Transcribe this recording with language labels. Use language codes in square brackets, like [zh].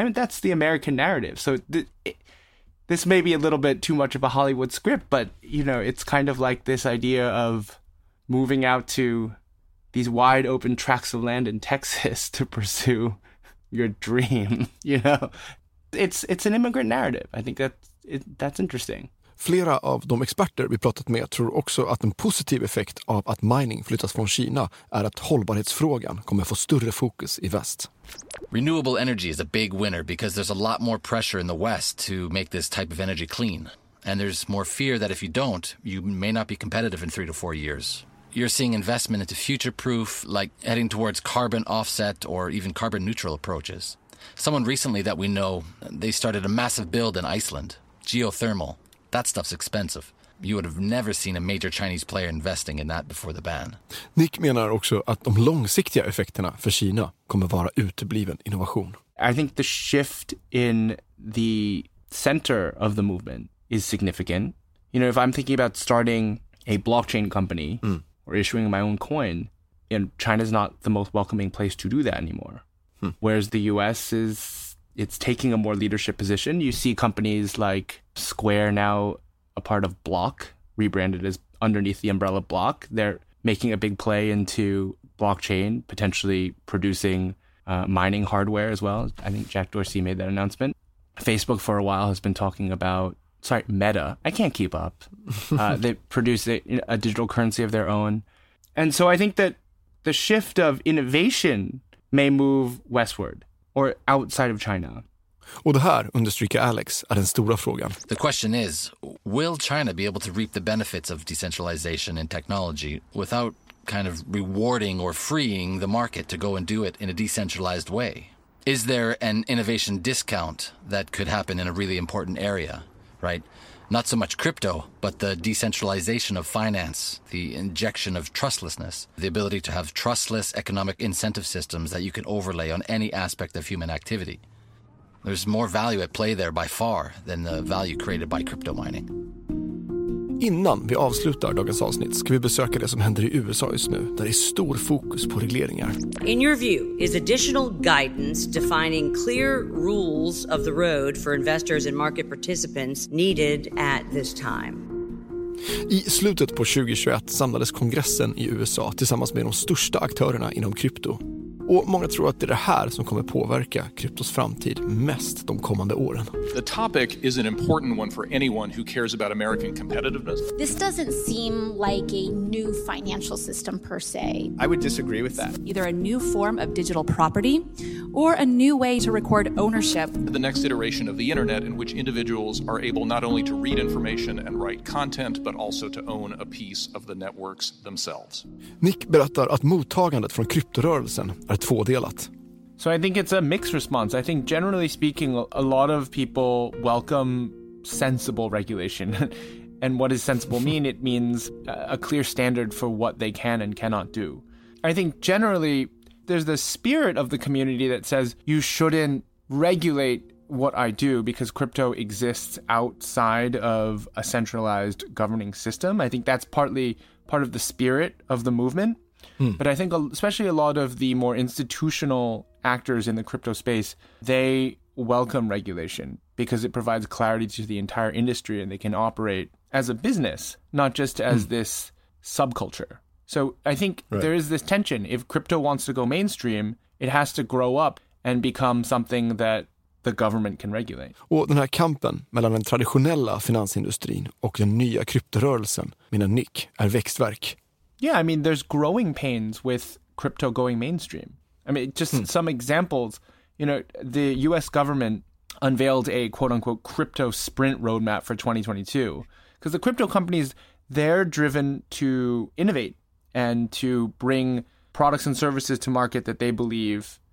[en] I mean, that's the American narrative. So this may be a little bit too much of a Hollywood script, but, you know, it's kind of like this idea of moving out to these wide open tracts of land in Texas to pursue your dream, you know? It's an immigrant narrative. I think that's interesting. [sv] Flera av de experter vi pratat med tror också att en positiv effekt av att mining flyttas från Kina är att hållbarhetsfrågan kommer få större fokus i väst. [en] Renewable energy is a big winner because there's a lot more pressure in the West to make this type of energy clean. And there's more fear that if you don't, you may not be competitive in 3 to 4 years. You're seeing investment into future-proof, like heading towards carbon offset or even carbon neutral approaches. Someone recently that we know, they started a massive build in Iceland, geothermal. That stuff's expensive. You would have never seen a major Chinese player investing in that before the ban. [sv] Nick menar också att de långsiktiga effekterna för Kina kommer vara utebliven innovation. [en] I think the shift in the center of the movement is significant. You know, if I'm thinking about starting a blockchain company or issuing my own coin, you know, China's not the most welcoming place to do that anymore. Mm. Whereas the US is... it's taking a more leadership position. You see companies like Square, now a part of Block, rebranded as underneath the umbrella Block. They're making a big play into blockchain, potentially producing mining hardware as well. I think Jack Dorsey made that announcement. Facebook for a while has been talking about, Meta. I can't keep up. they produce a digital currency of their own. And so I think that the shift of innovation may move westward. Or outside of China. [sv] Och det här, understryker Alex, är den stora frågan. [en] The question is, will China be able to reap the benefits of decentralization and technology without kind of rewarding or freeing the market to go and do it in a decentralized way? Is there an innovation discount that could happen in a really important area, right? Not so much crypto, but the decentralization of finance, the injection of trustlessness, the ability to have trustless economic incentive systems that you can overlay on any aspect of human activity. There's more value at play there by far than the value created by crypto mining. [sv] Innan vi avslutar dagens avsnitt ska vi besöka det som händer i USA just nu, där det är stor fokus på regleringar. [en] In your view, is additional guidance defining clear rules of the road for investors and market participants needed at this time? [sv] I slutet på 2021 samlades kongressen i USA tillsammans med de största aktörerna inom krypto. Och många tror att det är det här som kommer påverka kryptos framtid mest de kommande åren. [en] The topic is an important one for anyone who cares about American competitiveness. This doesn't seem like a new financial system per se. I would disagree with that. Either a new form of digital property or a new way to record ownership. The next iteration of the internet in which individuals are able not only to read information and write content but also to own a piece of the networks themselves. [sv] Nick berättar att mottagandet från kryptorörelsen är tvådelat. [en] So I think it's a mixed response. I think generally speaking, a lot of people welcome sensible regulation. And what does sensible mean? It means a clear standard for what they can and cannot do. I think generally there's the spirit of the community that says you shouldn't regulate what I do because crypto exists outside of a centralized governing system. I think that's partly part of the spirit of the movement. But I think especially a lot of the more institutional actors in the crypto space, they welcome regulation because it provides clarity to the entire industry and they can operate as a business, not just as this subculture. So I think there is this tension. If crypto wants to go mainstream, it has to grow up and become something that the government can regulate. [sv] Och den här kampen mellan den traditionella finansindustrin och den nya kryptorörelsen, menar Nick, är växtverk. [en] Yeah, I mean, there's growing pains with crypto going mainstream. I mean, just some examples, you know, the U.S. government unveiled a quote-unquote crypto sprint roadmap for 2022 because the crypto companies, they're driven to innovate and to bring products and services to market that they believe